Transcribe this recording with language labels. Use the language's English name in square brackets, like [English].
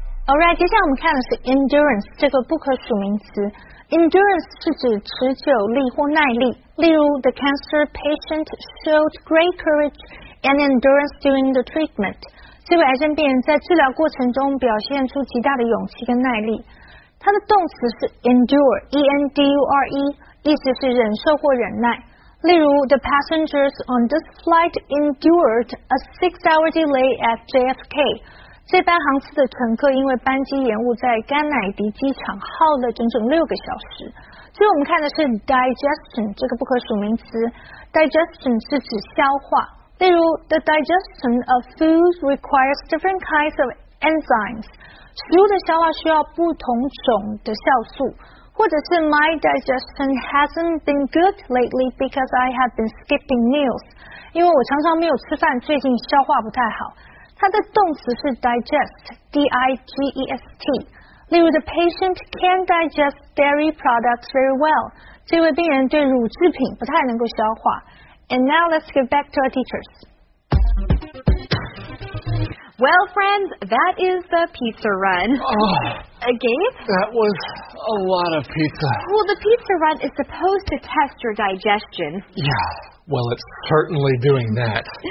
[English] Alright, [Chinese] 接下来我们看的是 endurance 这个不可数名词。Endurance 是指持久力或耐力。例如 [English] ,the cancer patient showed great courage and endurance during the treatment. [Chinese] 这位癌症病人在治疗过程中表现出极大的勇气跟耐力。它的动词是 endure, E-N-D-U-R-E, 意思是忍受或忍耐。例如 [English] the passengers on this flight endured a 6-hour delay at JFK. [Chinese] 这班航次的乘客因为班机延误在甘乃迪机场耗了整整6个小时。所以我们看的是 digestion 这个不可数名词。Digestion 是指消化。例如 [English] the digestion of food requires different kinds of enzymes. [Chinese] 食物的消化需要不同种的酵素。或者是 [English] my digestion hasn't been good lately because I have been skipping meals. [Chinese] 因为我常常没有吃饭，最近消化不太好。它的动词是 digest, D-I-G-E-S-T. 例如 [English] the patient can digest dairy products very well. [Chinese] 这位病人对乳制品不太能够消化。 [English] And now let's get back to our teachers. Well, friends, that is the pizza run. Again? That was a lot of pizza. Well, the pizza run is supposed to test your digestion. Yeah, well, it's certainly doing that.